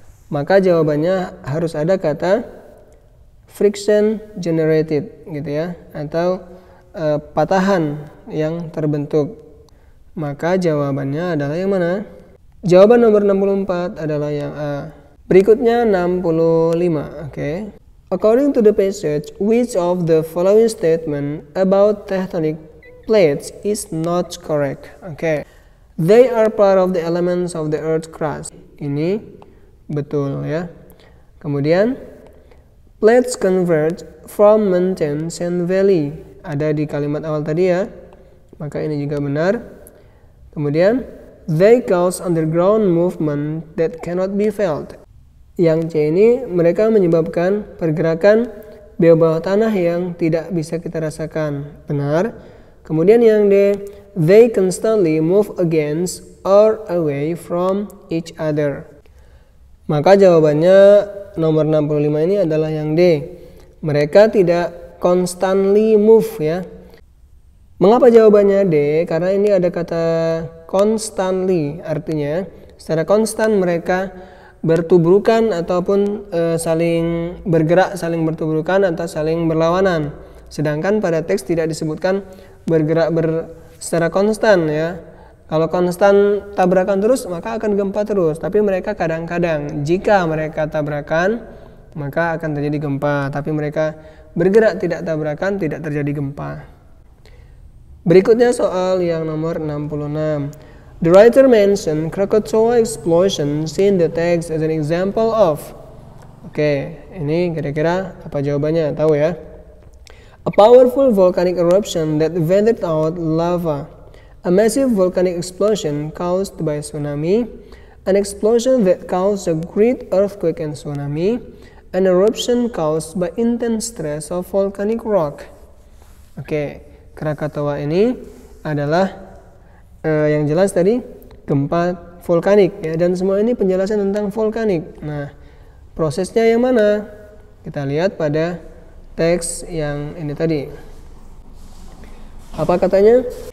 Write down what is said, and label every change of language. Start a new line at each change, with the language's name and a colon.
Indonesian: Maka jawabannya harus ada kata
English: friction generated,
Indonesian: gitu ya, atau patahan yang terbentuk. Maka jawabannya adalah yang mana? Jawaban nomor 64 adalah yang A. Berikutnya 65, oke.
English: According to the passage, which of the following statement about tectonic plates is not correct? Oke. They are part of the elements of the earth crust.
Indonesian: Ini betul ya. Kemudian,
English: plates converge from mountains and valley.
Indonesian: Ada di kalimat awal tadi ya. Maka ini juga benar.
English: Kemudian, they cause underground movement that cannot be felt.
Indonesian: Yang C ini, mereka menyebabkan pergerakan bawah tanah yang tidak bisa kita rasakan. Benar. Kemudian yang D,
English: they constantly move against or away from each other.
Indonesian: Maka jawabannya nomor 65 ini adalah yang D. Mereka tidak
English: constantly move
Indonesian: ya. Mengapa jawabannya D? Karena ini ada kata constantly, artinya secara konstan mereka bertubrukan ataupun saling bergerak, saling bertubrukan atau saling berlawanan. Sedangkan pada teks tidak disebutkan bergerak secara konstan ya. Kalau konstan tabrakan terus maka akan gempa terus, tapi mereka kadang-kadang, jika mereka tabrakan maka akan terjadi gempa, tapi mereka bergerak tidak tabrakan tidak terjadi gempa. Berikutnya soal yang nomor 66.
English: The writer mentioned Krakatoa explosion in the text as an example of.
Indonesian: Oke, ini kira-kira apa jawabannya? Tahu ya?
English: A powerful volcanic eruption that vented out lava. A massive volcanic explosion caused by tsunami. An explosion that caused a great earthquake and tsunami, an eruption caused by intense stress of volcanic rock.
Indonesian: Oke, Krakatoa ini adalah yang jelas tadi gempa vulkanik ya, dan semua ini penjelasan tentang vulkanik. Nah, prosesnya yang mana? Kita lihat pada teks yang ini tadi. Apa katanya?